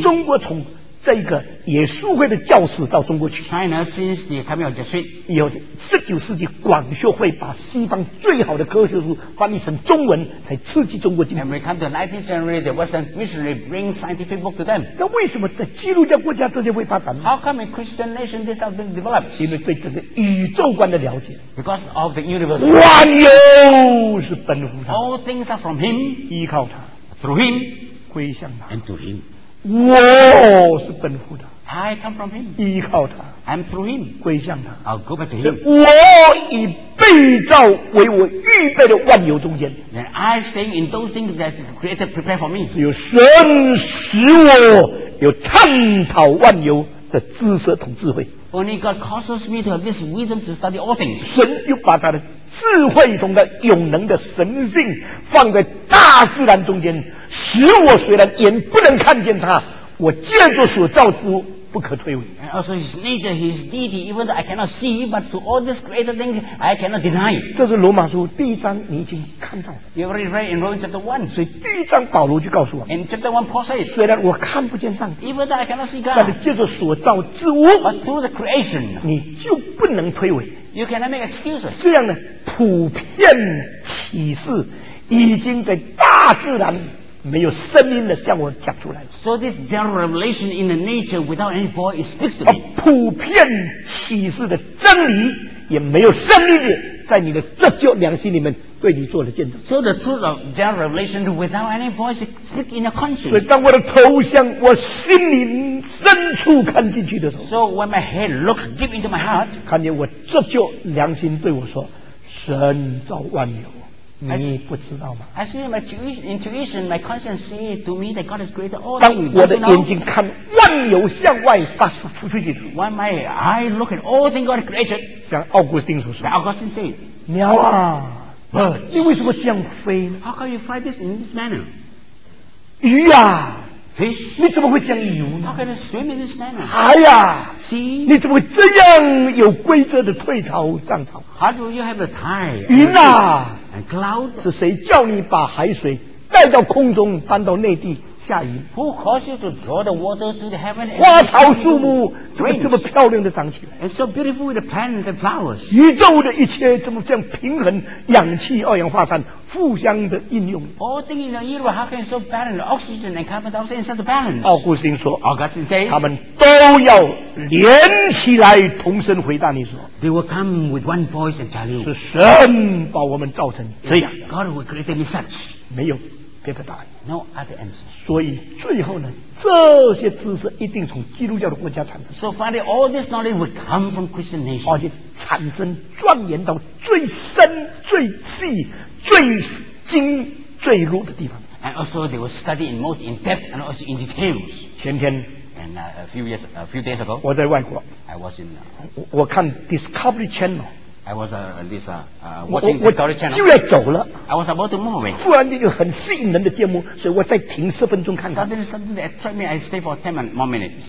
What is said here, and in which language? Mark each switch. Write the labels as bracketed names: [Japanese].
[Chinese] 中国从这个耶稣会的教室到中国去。 [English] China since the coming of Jesuit. [Chinese] 有十九世纪广学会把西方最好的科学书翻译成中文，才刺激中国进步。 [English] And we come to the 19th century, the Western missionary bring scientific book to them. [Chinese] 那为什么在基督教国家这些会发展 [English] ？How come in Christian nation this has been developed? [Chinese] 因为对这个宇宙观的了解。 [English] Because of the universe. [Chinese] 万有是本乎他。 [English] All things are from him. [Chinese] 依靠他。 [English] Through him. [Chinese] 归向他。 [English] And to him. [Chinese] 我是本乎的 [English] I come from him [Chinese] 依靠他 [English] I'm through him [Chinese] 归向他 [English] I'll go back to him [Chinese] 我以被造为我预备的万有中间 [English] Then I stay in those things that created prepared for me [Chinese] 只有神使我有探讨万有的知识同智慧 [English] Only God causes me to have this wisdom to study all things [Chinese] 神又把他的智慧同的永能的神性放在大自然中间使我虽然眼不能看见他我借着所造之物不可推诿 [English] And also his nature, his deity even though I cannot see but to all this greater thing I cannot deny [Chinese] 这是罗马书第一章你已经看到 [English] You already read in Romans chapter 1 [Chinese] 所以第一章保罗就告诉我 [English] In chapter 1 Paul says [Chinese] 虽然我看不见上帝 [English] even though I cannot see God [Chinese] 但是借着所造之物 [English] but through the creation [Chinese] 你就不能推诿 [English] You cannot make excuses [Chinese] 这样呢普遍启示已经在大自然没有声音的向我讲出来。 [English] So this general revelation in the nature without any voice speaks to me. [Chinese] 普遍启示的真理也没有声音的在你的这就良心里面对你做了见证。 [English] So the truth of general revelation without any voice speaks in your conscience. [Chinese] 所以当我的头向我心灵深处看进去的时候。 [English] So when my head looks deep into my heart. [Chinese] 看见我这就良心对我说神造万有。你不知道吗 [English] I see my intuition, my conscience say to me that God has created all [Chinese] 当我的眼睛看万有向外发出出去的 [English] When my eye look at all things God created [Chinese] 像奥古斯丁所说 [English] That Augustine say [Chinese] 鸟啊 [English] Birds [Chinese] 你为什么这样飞 [English] How can you fly this in this manner [Chinese] 鱼啊 [English] Fish [Chinese] 你怎么会这样游呢 [English] How can it swim in this manner [Chinese] 海啊 [English] Sea [Chinese] 你怎么会这样有规则的退潮涨潮 [English] How do you have the tide [Chinese] 云啊 [English] And cloud? [Chinese] 是谁叫你把海水带到空中搬到内地下雨 [English] Who caused you to draw the water to the heaven? [Chinese] 花草树木怎么这么漂亮的长起来 [English] And so beautiful with the plants and flowers [Chinese] 宇宙的一切怎么这样平衡氧气二氧化碳互相的应用 [English] All things in the universe how can it so balance oxygen and carbon dioxide in such a balance [Chinese] 奥古斯丁说 [English] Augustine say [Chinese] 他们都要连起来同声回答你说 [English] They will come with one voice and tell you [Chinese] 是神把我们造成这样 [English] God will create me such [Chinese] 没有别的答案 [English] No other answer [Chinese] 所以最后呢这些知识一定从基督教的国家产生 [English] So finally all this knowledge will come from Christian nation [Chinese] 而且产生钻研到最深最细最精最入的地方 [English] and also they will study in most in depth and also in details [Chinese] 前天 [English] and a few days ago [Chinese] 我在外国 [English] I was in [Chinese] 我看 Discovery Channel [English] I was watching Discovery Channel [Chinese] 就要走了 [English] I was about to move [Chinese] 突然间有很吸引人的节目所以我再停十分钟看看 [English] suddenly something that attracted me I stayed for 10 more minutes